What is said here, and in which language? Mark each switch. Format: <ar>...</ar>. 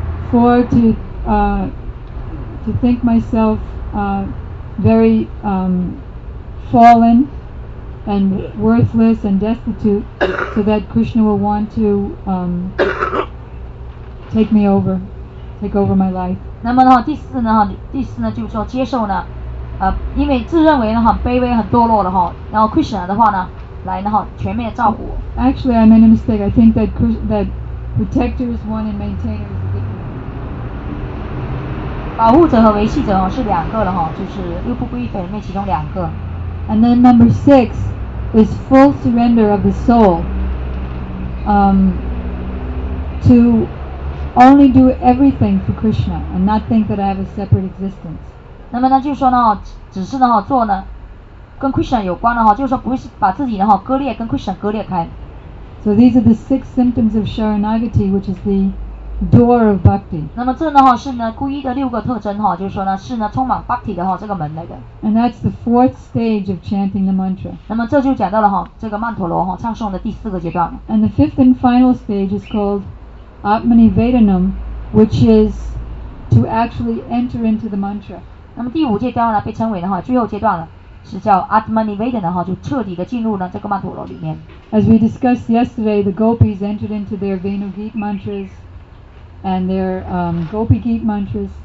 <en>Four, to think myself very fallen and worthless and destitute, so that Krishna will want to take me over, take over my life.</en> <zh>那么呢，第四呢，就是说接受呢，因为自认为呢很卑微、很堕落的哈，然后 Krishna 的话呢，来呢哈全面照顾我。</zh> <en>Actually, I made a mistake. I think that protector is one and maintainer is different.</en> <zh>保护者和维系者哦是两个了哈，就是六不归依法里面其中两个。</zh> <en>And then number six is full surrender of the soul. To Only do everything for Krishna and not think that I have a separate existence.</en> <zh>那么呢，就是说呢，只是呢哈做呢跟 Krishna 有关的哈，就是说不是把自己呢哈割裂跟 Krishna 割裂开。</zh> <en>So these are the six symptoms of Sharanagati, which is the door of bhakti.</en> <zh>那么这呢哈是呢皈依的六个特征哈，就是说呢是呢充满 bhakti 的哈这个门来的。</zh> <en>And that's the fourth stage of chanting the mantra.</en> <zh>那么这就讲到了哈这个曼陀罗哈唱诵的第四个阶段。</zh> <en>And the fifth and final stage is called. Atmani Vedanam, which is to actually enter into the mantra.</en> <zh>那么第五阶段呢，被称为的话，最后阶段了，是叫 Atmani Vedanam 哈，就彻底的进入了这个曼陀罗里面。</zh> <en>As we discussed yesterday, the gopis entered into their Venu Geet mantras and their Gopi Geet mantras.</en>